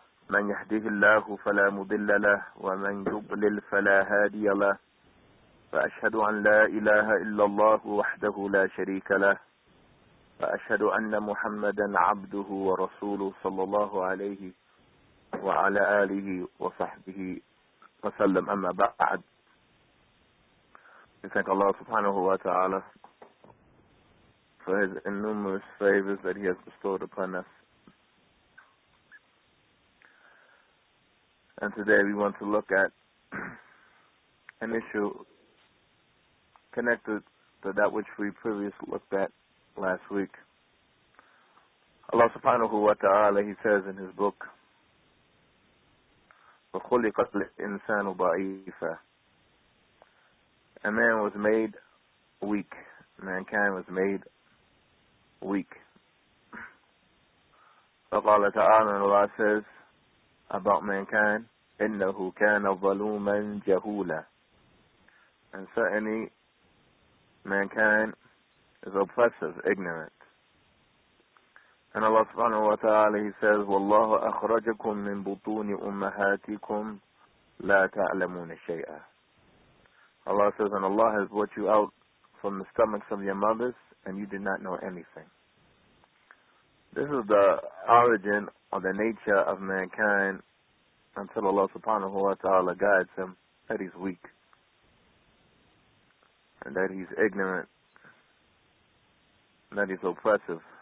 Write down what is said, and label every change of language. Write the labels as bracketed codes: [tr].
[ar] من يهده الله فلا مضل له ومن يضلل فلا هادي له، فأشهد أن لا إله إلا الله وحده لا شريك له، وأشهد أن محمدا عبده ورسوله صلى الله عليه وعلى آله وصحبه وسلم. أما بعد، [en] we thank Allah subhanahu wa ta'ala for his innumerous favors that he has bestowed upon us. And today we want to look at an issue connected to that which we previously looked at last week. Allah subhanahu wa ta'ala, he says in his book, [ar] وَخُلِقَ الْإِنسَانُ ضَعِيفًا. [en] A man was made weak. Mankind was made weak. [ar] فَقَالَ تَعَالَى, [en] Allah says about mankind, [ar] إِنَّهُ كَانَ ظَلُومًا جَهُولًا. [en] And certainly, mankind is oppressive, ignorant. And Allah subhanahu wa ta'ala, he says, [ar] وَاللَّهُ أَخْرَجَكُمْ مِنْ بُطُونِ أُمَّهَاتِكُمْ لَا تَعْلَمُونَ شَيْئًا. [en] Allah says, and Allah has brought you out from the stomachs of your mothers, and you did not know anything. This is the origin or the nature of mankind until Allah subhanahu wa ta'ala guides him that he's weak and that he's ignorant and that he's oppressive.